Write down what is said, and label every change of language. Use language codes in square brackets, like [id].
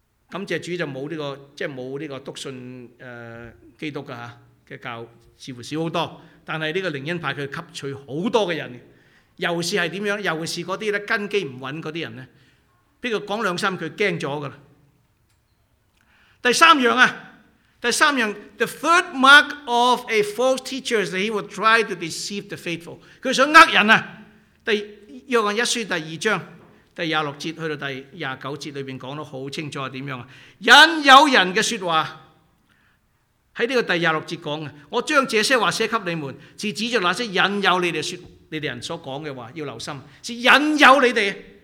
[zh] 感谢主，就没有这个笃信基督的，的教似乎少很多，但是这个灵恩派他吸取很多的人，尤其是怎样，尤其是那些根基不稳的人，比如讲两三句他就害怕了。 [en] 第三样 the third mark of a false teacher is that he will try to deceive the faithful. [zh] 他想骗人，第约翰一书第二章第二十六节去到第二十九节里面讲得很清楚，怎样引诱人的说话，在这个第二十六节讲，我将这些话写给你们，是指着那些引诱你们说你们人所讲的话，要留心，是引诱你们。